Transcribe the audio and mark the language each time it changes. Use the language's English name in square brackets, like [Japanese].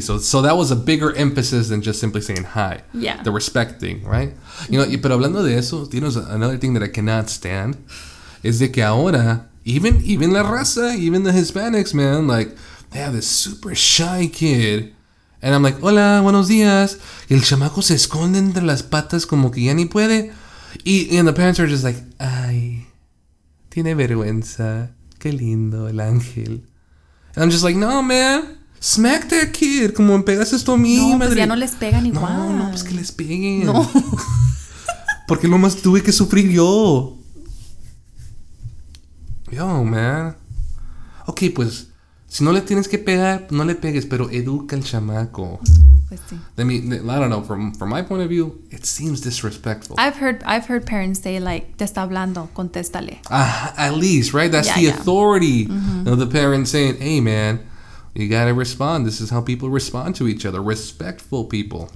[English] So that was a bigger emphasis than just simply saying hi. Yeah. The respect thing, right? You know, [Spanish] pero hablando de eso, [English] you know, another thing that I cannot stand. Is [Spanish] de que ahora, [English] even la raza, even the Hispanics, man, like, they have this super shy kid. And I'm like, [Spanish] hola, buenos días. Y el chamaco se esconde entre las patas como que ya ni puede. [English] And the parents are just like, [Spanish] ay, tiene vergüenza. Qué lindo, el ángel. [English] And I'm just like, no, man. Smack that kid. [Spanish] Como pegas esto a mí, no, madre. No, pues ya no les pegan igual. No, pues que les peguen. No. Porque nomás tuve que sufrir yo. Yo, man. Ok, pues, si no le tienes que pegar, no le pegues, pero educa al chamaco. Pues sí. [English] I don't know, from my point of view, it seems disrespectful. I've heard parents say, like, [Spanish] te está hablando, contéstale. [English] At least, right? That's the authority of the parent saying, hey, man, you got to respond. This is how people respond to each other. Respectful people.